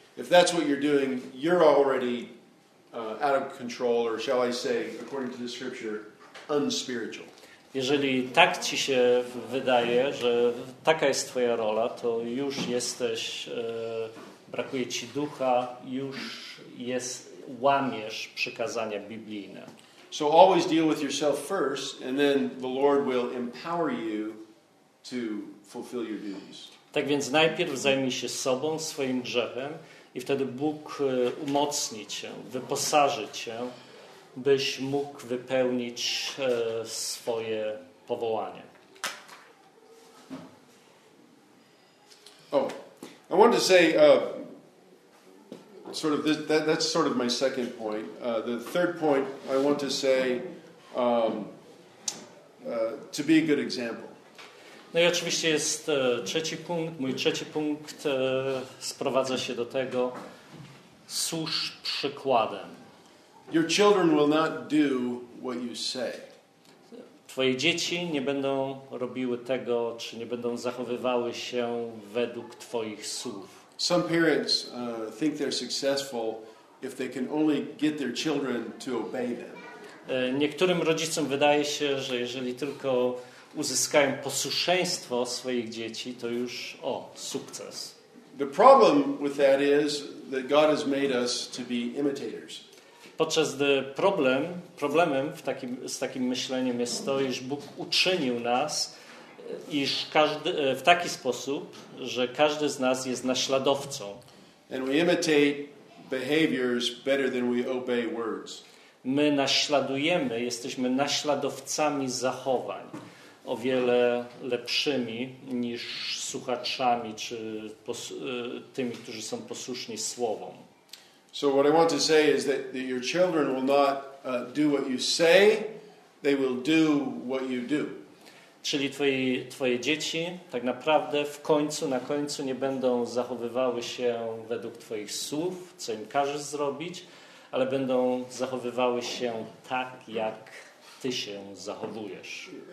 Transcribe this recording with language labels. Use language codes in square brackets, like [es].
[en] If that's what you're doing, you're already out of control, or shall I say, according to the scripture, unspiritual. [pl] Jeżeli tak ci się wydaje, że taka jest twoja rola, to już jesteś, brakuje ci ducha, już jest, łamiesz przykazania biblijne. [en] So always deal with yourself first and then the Lord will empower you to fulfill your duties. [pl] Tak więc najpierw zajmij się sobą, swoim grzechem i wtedy Bóg umocni cię, wyposaży cię, byś mógł wypełnić swoje powołanie. [en] Oh, I wanted to say sort of this, that's sort of my second point. The third point I want to say to be a good example. [pl] No i oczywiście jest trzeci punkt. Mój trzeci punkt sprowadza się do tego: służ przykładem. [en] Your children will not do what you say. [pl] Tw- Twoje dzieci nie będą robiły tego, czy nie będą zachowywały się według Twoich słów. [en] Some parents think they're successful if they can only get their children to obey them. [pl] Niektórym rodzicom wydaje się, że jeżeli tylko uzyskają posłuszeństwo swoich dzieci, to już o, sukces. [en] The problem with that is that God has made us to be imitators. [pl] Podczas gdy problemem z takim myśleniem jest to, iż Bóg uczynił nas, iż każdy w taki sposób, że każdy z nas jest naśladowcą. [en] And we imitate behaviors better than we obey words. [pl] My naśladujemy, jesteśmy naśladowcami zachowań o wiele lepszymi niż słuchaczami czy tymi, którzy są posłuszni słowom. [en] So what I want to say is that your children will not do what you say, they will do what you do. [pl] Czyli twoje dzieci tak naprawdę na końcu nie będą zachowywały się według twoich słów, co im każesz zrobić, ale będą zachowywały się tak, jak ty się zachowujesz.